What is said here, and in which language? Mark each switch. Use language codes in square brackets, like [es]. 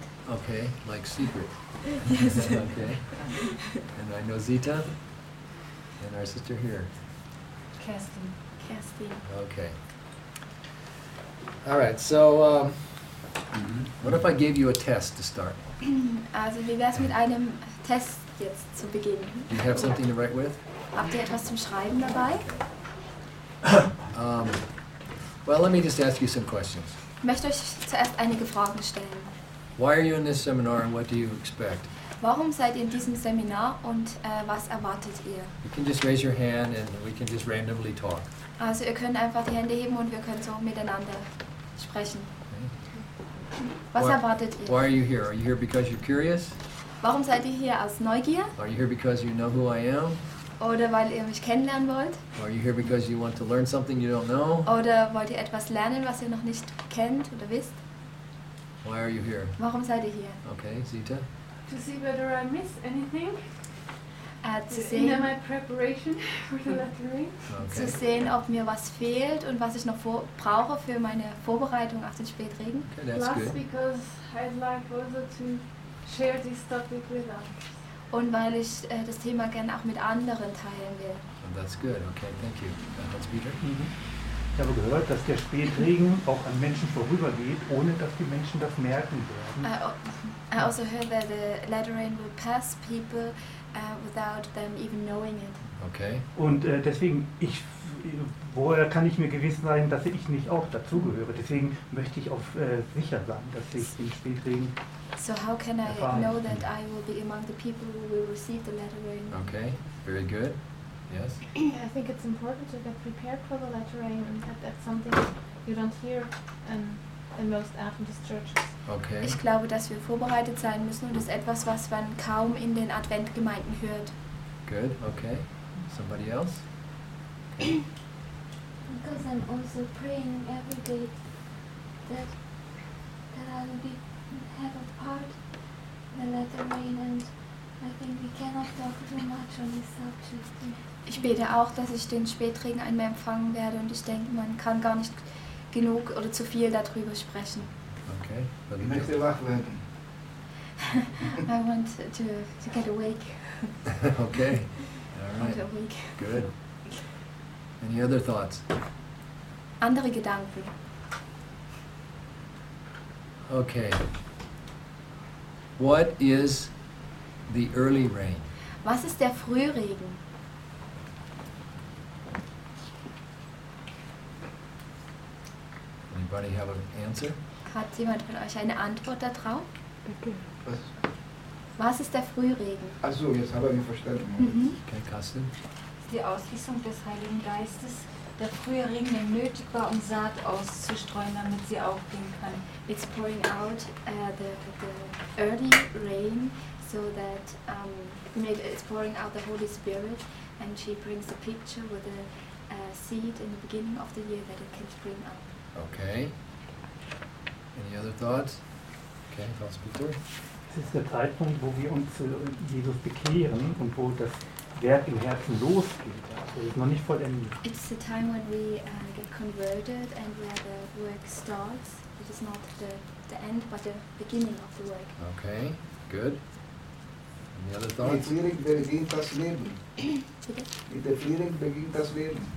[en] Okay, like secret. Yes. Okay. And I know Zita. And our sister here. Kirsten. Okay. All right, so what if I gave you a test to start? [de] Also, wie wär's mit einem Test jetzt zu beginnen? [en] Do you have something to write with? [de] Habt ihr etwas zum Schreiben dabei? [en] Well, let me just ask you some questions. [de] Ich möchte euch zuerst einige Fragen stellen. [en] Why are you in this seminar and what do you expect? [de] Warum seid ihr in diesem Seminar und was erwartet ihr? [en] You can just raise your hand and we can just randomly talk. [de] Also ihr könnt einfach die Hände heben und wir können so miteinander sprechen. [en] Okay. [de] Was erwartet ihr? [en] Why are you here? Are you here because you're curious? [de] Warum seid ihr hier aus Neugier? [en] Are you here because you know who I am? [de] Oder weil ihr mich kennenlernen wollt? [en] Or are you here because you want to learn something you don't know? [de] Oder wollt ihr etwas lernen, was ihr noch nicht kennt oder wisst? [en] Why are you here? [de] Warum seid ihr hier? [en] Okay, Zita. To see whether I miss anything. To see. In my preparation for the lettering. Okay. [de] Zu sehen, ob mir was fehlt und was ich noch brauche für meine Vorbereitung auf den Spätregen. [en] Okay, that's plus good. Plus because I'd like also to share this topic with others. Und weil ich das Thema gerne auch mit anderen teilen will. And that's good. Okay, thank you. That's better. Mm-hmm. [de] Ich habe gehört, dass der Spätregen auch an Menschen vorübergeht, ohne dass die Menschen das merken werden. [en] I also heard that the latter rain will pass people without them even knowing it. Okay. [de] Und deswegen, woher kann ich mir gewiss sein, dass ich nicht auch dazugehöre? Deswegen möchte ich auf sicher sein, dass ich den Spätregen. [en] So how can I know that I will be among the people who will receive the latter rain? Okay. Very good. Yes. I think it's important to get prepared for the latter rain, and that's something you don't hear in most Adventist churches. Okay. [de] Ich glaube, dass wir vorbereitet sein müssen und das ist etwas, was man kaum in den Adventgemeinden hört. [en] Good, okay. Somebody else? Because I'm also praying every day that I will have a part in the letter rain and I think we cannot talk too much on this subject. [de] Ich bete auch, dass ich den Spätregen einmal empfangen werde und ich denke, man kann gar nicht genug oder zu viel darüber sprechen. [en] Okay. [de] Ich möchte wach werden. [en] I want to get awake. Okay. All right. Awake. Good. Any other thoughts? [de] Andere Gedanken. [en] Okay. What is the early rain? [de] Was ist der Frühregen? [en] Anybody have an answer? [de] Hat jemand von euch eine Antwort da drauf? Was ist der Frühregen? Achso, jetzt habe ich mich verstanden. Mhm. [en] Okay, Carsten. [de] Die Ausgießung des Heiligen Geistes, der frühe Regen, der nötig war, um Saat auszustreuen, damit sie aufgehen kann. [en] It's pouring out the early rain, so that it's pouring out the Holy Spirit, and she brings a picture with a seed in the beginning of the year that it can spring up. Okay. Any other thoughts? Okay, Frau Spieker. [de] Es ist der Zeitpunkt, wo wir uns Jesus bekehren und wo das Werk im Herzen losgeht. Also es ist noch nicht vollendet. [en] It's the time when we get converted and where the work starts. It is not the end, but the beginning of the work. Okay, good. Any other thoughts? [de] Mit Frühling beginnt das Leben. Mit der Frühling beginnt das Leben.